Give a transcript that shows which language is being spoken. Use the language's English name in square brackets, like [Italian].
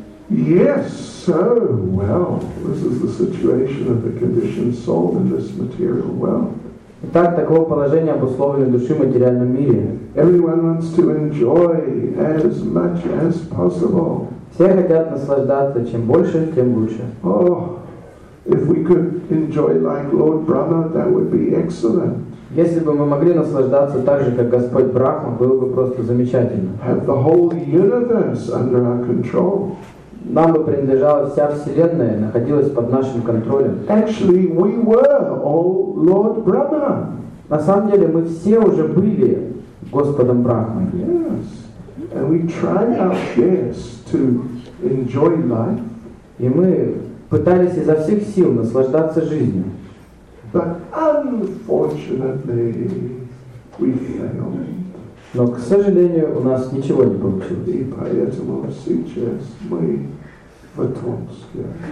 [English] Yes, so, well, this is the situation of the conditioned soul in this material world. [Russian] Итак, такого положения обусловлено души в материальном мире. [English] Everyone wants to enjoy as much as possible. [Russian] Все хотят наслаждаться, чем больше, тем лучше. [English] Oh, if we could enjoy like Lord Brahma, that would be excellent. [Russian] Если бы мы могли наслаждаться так же, как Господь Брахма, было бы просто замечательно. [English] Have the whole universe under our control. [Russian] Нам бы принадлежала вся Вселенная, находилась под нашим контролем. [English] Actually, we were all Lord Brahma. [Russian] На самом деле, мы все уже были Господом Брахмой. [English] Yes. And we tried our best to enjoy life. [Russian] И мы пытались изо всех сил наслаждаться жизнью. [English] But unfortunately, we failed. [Russian] Но, к сожалению, у нас ничего не получилось. И поэтому сейчас мы в Томске.